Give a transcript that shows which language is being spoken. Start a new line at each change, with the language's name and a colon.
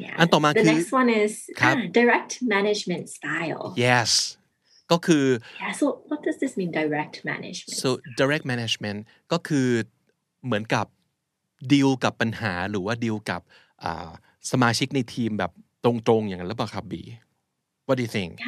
Thai: อันต่อมาคือ
English: the next one is direct management style
Thai: yesก็คือ
English: yeah so what does this mean direct management so direct management
Thai: ก็คือเหมือนกับดีลกับปัญหาหรือว่าดีลกับสมาชิกในทีมแบบตรงๆอย่างนั้นหรือเปล่าครับบี
English: what do you think